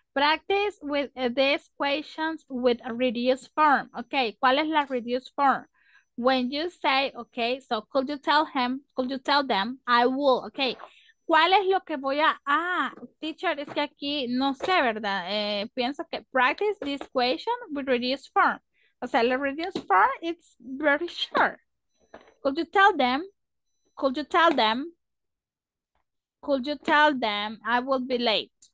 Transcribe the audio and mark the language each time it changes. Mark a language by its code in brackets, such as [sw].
[en] Practice with these questions with a reduced form. Okay, [es] ¿cuál es la [en] reduced form? When you say, okay, so could you tell him, could you tell them, I will, okay. [es] ¿Cuál es lo que voy a... Ah, teacher, es que aquí no sé, ¿verdad? Pienso que [en] practice this question with reduced form. O sea, the reduced form, it's very short. Could you tell them? Could you tell them? Could you tell them I will be late?